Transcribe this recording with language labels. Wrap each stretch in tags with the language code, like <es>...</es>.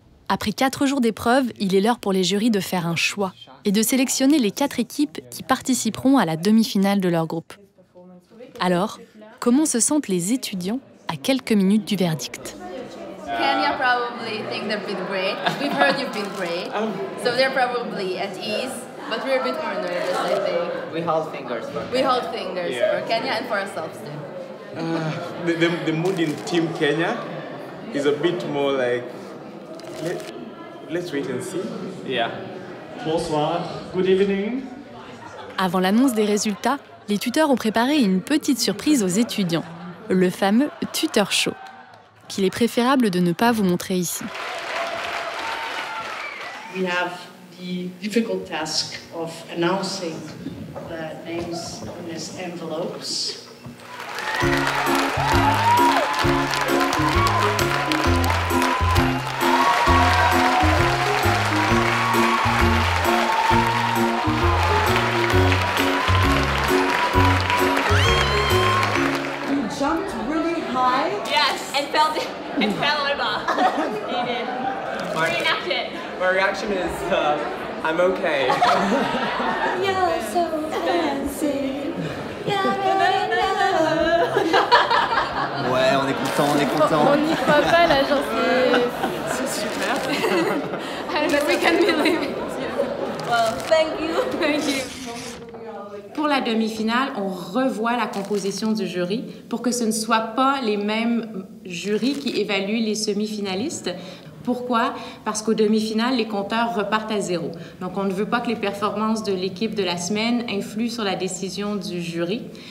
<fr>Après 4 jours d'épreuve, il est l'heure pour les jurys de faire un choix et de sélectionner les 4 équipes qui participeront à la demi-finale de leur groupe. Alors, comment se sentent les étudiants à quelques minutes du verdict?</fr> <en>Kenya probably think they've been great. We've heard you've been great. So they're probably at ease, but we're a bit more nervous, I think. We hold fingers for Kenya. We hold fingers for Kenya and for ourselves too. The mood in Team Kenya is a bit more like, let's wait and see. Yeah.</en> <fr>Bonsoir.</fr> <en>Good evening.</en> <fr>Avant l'annonce des résultats, les tuteurs ont préparé une petite surprise aux étudiants, le fameux tuteur show, qu'il est préférable de ne pas vous montrer ici.</fr> <en>We have the difficult task of announcing the names in these envelopes. It fell over. He did. Reenact it. My reaction is, I'm okay. You're so fancy.</en> <fr>Ouais, on est content. On n'y croit pas, là, j'en sais. C'est super.</fr> <en>I don't know if we can believe it. Well, thank you. Thank you.</en> <fr>Pour la demi-finale, on revoit la composition du jury pour que ce ne soient pas les mêmes jurys qui évaluent les semi-finalistes. Pourquoi? Parce qu'au demi-finale, les compteurs repartent à zéro. Donc, on ne veut pas que les performances de l'équipe de la semaine influent sur la décision du jury.</fr>